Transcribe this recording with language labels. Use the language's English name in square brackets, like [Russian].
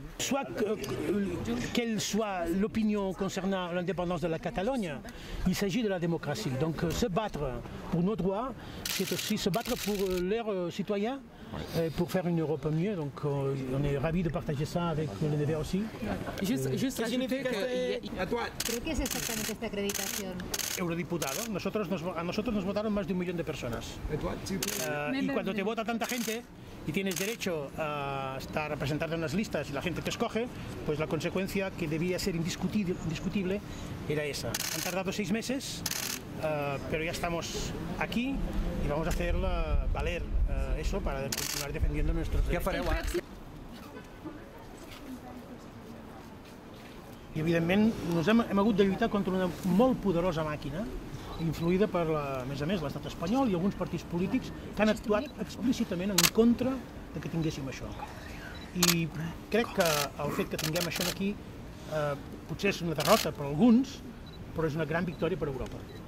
[French] Soit quelle soit l'opinion concernant l'indépendance de la Catalogne, il s'agit de la démocratie. Donc se battre pour nos droits, c'est aussi se battre pour leurs citoyens, pour faire une Europe mieux. Donc on est ravis de partager ça avec le NDR aussi. Juste rajouter que... Qu'est-ce exactement cette accréditation? [Spanish] Eurodiputado. A nosotros nos votaron más de 1 million de personas. Y cuando te vota tanta gente y tienes derecho a estar representado en las listas y la gente te escoge, pues la consecuencia que debía ser indiscutible era esa. Han tardado 6 meses, pero ya estamos aquí y vamos a hacer valer eso para continuar defendiendo nuestros derechos. [Catalan] I evidentment hem hagut de lluitar contra una molt poderosa màquina influïda per, a més, l'estat espanyol i alguns partits polítics que han actuat explícitament en contra que tinguéssim això. I crec que el fet que tinguem això aquí potser és una derrota per alguns, però és una gran victòria per Europa.